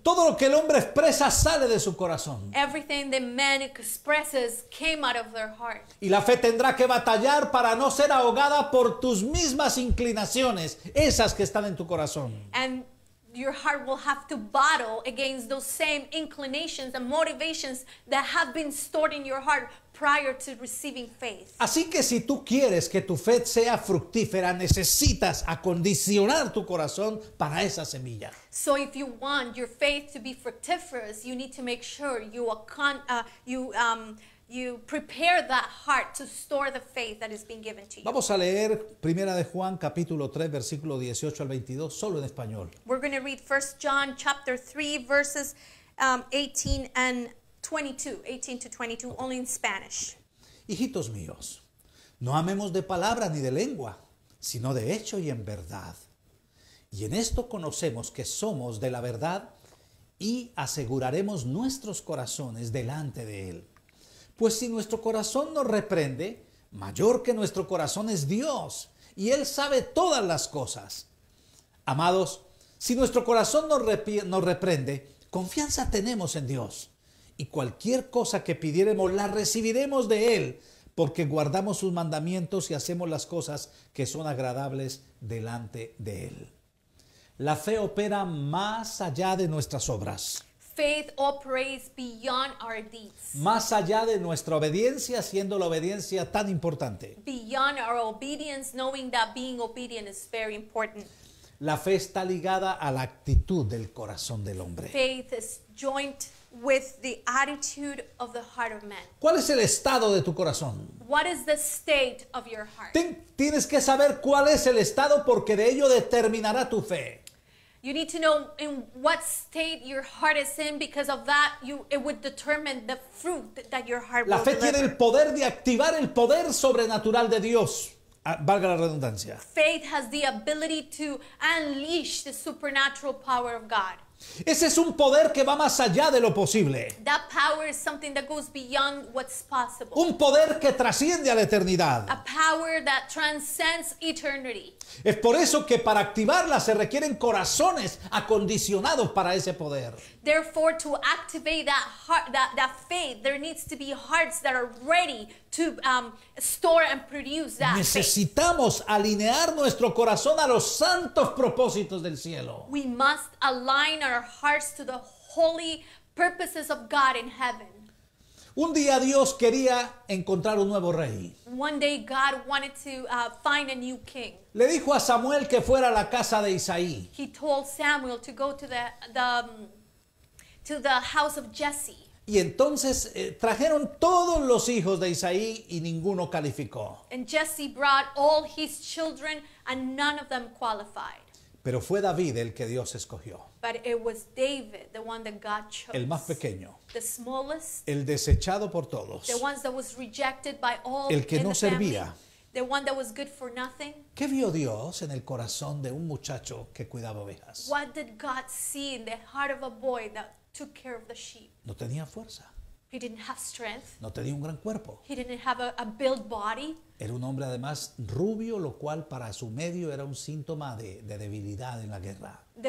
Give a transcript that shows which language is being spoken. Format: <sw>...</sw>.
<es>Todo lo que el hombre expresa sale de su corazón.</es> <en>Everything the man expresses came out of their heart.</en> <es>Y la fe tendrá que batallar para no ser ahogada por tus mismas inclinaciones, esas que están en tu corazón.</es> <en>And your heart will have to battle against those same inclinations and motivations that have been stored in your heart prior to receiving faith.</en> <es>Así que si tú quieres que tu fe sea fructífera, necesitas acondicionar tu corazón para esa semilla.</es> <en>So if you want your faith to be fructiferous, you need to make sure you prepare that heart to store the faith that is being given to you.</en> <es>Vamos a leer Primera de Juan capítulo 3 versículo 18 al 22 solo en español.</es> <en>We're going to read 1 John chapter 3 verses 18 to 22, okay. Only in Spanish.</en> <es>Hijitos míos, no amemos de palabra ni de lengua, sino de hecho y en verdad. Y en esto conocemos que somos de la verdad y aseguraremos nuestros corazones delante de Él. Pues si nuestro corazón nos reprende, mayor que nuestro corazón es Dios, y Él sabe todas las cosas. Amados, si nuestro corazón nos reprende, confianza tenemos en Dios. Y cualquier cosa que pidiéremos la recibiremos de Él, porque guardamos sus mandamientos y hacemos las cosas que son agradables delante de Él. La fe opera más allá de nuestras obras.</es> <en>Faith operates beyond our deeds.</en> <es>Más allá de nuestra obediencia, siendo la obediencia tan importante.</es> <en>Beyond our obedience, knowing that being obedient is very important.</en> <es>La fe está ligada a la actitud del corazón del hombre.</es> <en>Faith is joined with the attitude of the heart of man.</en> <es>¿Cuál es el estado de tu corazón?</es> <en>What is the state of your heart?</en> <es>Tienes que saber cuál es el estado porque de ello determinará tu fe.</es> <en>You need to know in what state your heart is in because of that it would determine the fruit that your heart will deliver.</en> <es>La fe tiene el poder de activar el poder sobrenatural de Dios. Valga la redundancia.</es> <en>Faith has the ability to unleash the supernatural power of God.</en> <es>Ese es un poder que va más allá de lo posible.</es> <en>That power is something that goes beyond what's possible.</en> <es>Un poder que trasciende a la eternidad.</es> <en>A power that transcends eternity.</en> <es>Es por eso que para activarla se requieren corazones acondicionados para ese poder.</es> <en>Therefore, to activate that heart, that faith, there needs to be hearts that are ready to store and produce that.</en> <es>Necesitamos</es> <en>faith.</en> <es>Alinear nuestro corazón a los santos propósitos del cielo.</es> <en>We must align our hearts to the holy purposes of God in heaven.</en> <es>Un día Dios quería encontrar un nuevo rey.</es> <en>One day God wanted to find a new king.</en> <es>Le dijo a Samuel que fuera a la casa de Isaí.</es> <en>He told Samuel to go to the house of Jesse.</en> <es>Y entonces trajeron todos los hijos de Isaí y ninguno calificó.</es> <en>And Jesse brought all his children and none of them qualified.</en> <es>Pero fue David el que Dios escogió.</es> <en>But it was David, the one that God chose.</en> <es>El más pequeño.</es> <en>The smallest.</en> <es>El desechado por todos.</es> <en>The one that was rejected by all.</en> <es>El que no servía.</es> <en>The one that was good for nothing.</en> <es>¿Qué vio Dios en el corazón de un muchacho que cuidaba ovejas?</es> <en>What did God see in the heart of a boy that took care of the sheep?</en> <es>No tenía fuerza.</es> <en>He didn't have strength.</en> <es>No tenía un gran cuerpo.</es> <en>He didn't have a built body.</en> <es>Era un hombre además rubio, lo cual para su medio era un síntoma de debilidad en la guerra.</es>